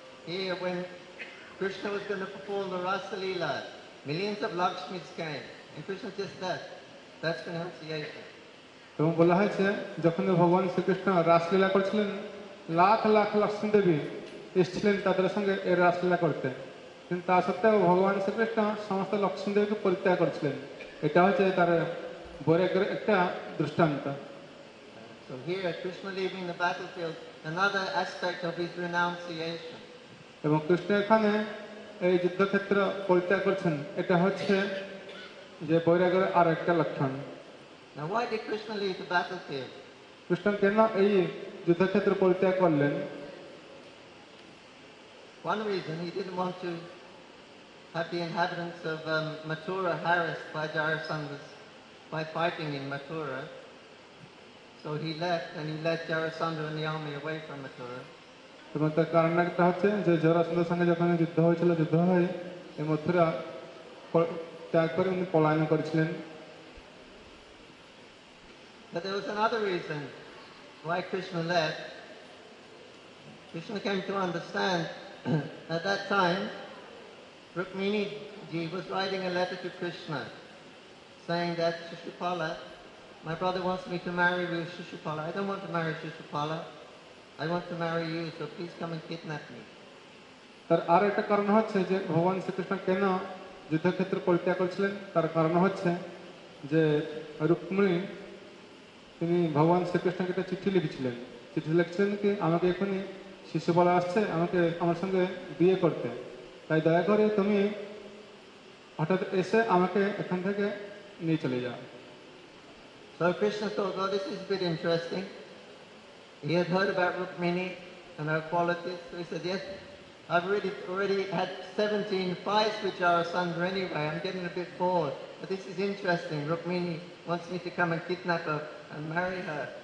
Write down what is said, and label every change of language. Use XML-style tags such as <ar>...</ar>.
<en>Here when Krishna was going to perform the Rasa Leela, millions of lakshmis came and krishna just that that's renunciation</en> <bn>তুমি বলা হয়েছে যখন ভগবান শ্রীকৃষ্ণ রাসলীলা করছিলেন লাখ লাখ লক্ষ্মী দেবী এসেছিলেন তাদের সঙ্গে এই রাসলীলা করতে কিন্তু তা সত্ত্বেও ভগবান শ্রীকৃষ্ণ সমস্ত লক্ষ্মী দেবীকে পরিত্যাগ করেছিলেন এটা হচ্ছে তার বৈরাগ্যের একটা দৃষ্টান্ত</bn> <en>so here krishna leaving the battlefield another aspect of his renunciation</en> <bn>এবং কৃষ্ণ এখানে এই যুদ্ধক্ষেত্র পরিত্যাগ করছেন এটা হচ্ছে যে বৈরাগ্যের আর একটা লক্ষণ</bn> <en>Now why did Krishna leave the battlefield?</en> <bn>Krishna kena ei juddha khetro porityag korlen.</bn> <en>One reason he didn't want to have the inhabitants of Mathura harassed by Jarasandhas by fighting in Mathura. So he left and he led Jarasandha and the army away from Mathura.</en> <bn>এবং তার কারণ একটা হচ্ছে যে জরাসন্ধের সঙ্গে যখন যুদ্ধ হয়েছিল যুদ্ধ হয়ে এই মথুরা ত্যাগ করে উনি পলায়ন করেছিলেন</bn> <en>But there was another reason why Krishna left. Krishna came to understand at that time Rukmini ji was writing a letter to Krishna saying that Shishupala, my brother wants me to marry you, Shishupala. I don't want to marry Shishupala. I want to marry you, so please come and kidnap me.</en> <bn>তার আর একটা কারণ হচ্ছে যে ভগবান শ্রীকৃষ্ণ কেন যুদ্ধক্ষেত্র পরিত্যাগ করেছিলেন তার কারণ হচ্ছে যে রুক্মিণী তিনি ভগবান শ্রীকৃষ্ণকে একটা চিঠি লিখেছিলেন চিঠি লিখছিলেন কি আমাকে এখনই শিশুপাল আসছে আমাকে আমার সঙ্গে বিয়ে করতে তাই দয়া করে তুমি হঠাৎ এসে আমাকে এখান থেকে নিয়ে চলে যাও</bn> <en>So Krishna thought, oh, this is a bit interesting. He had heard about Rukmini and her qualities, so he said, yes, I've already had 17 fights with Jarasandha anyway, I'm getting a bit bored. But this is interesting, Rukmini wants me to come and kidnap her and marry her.</en>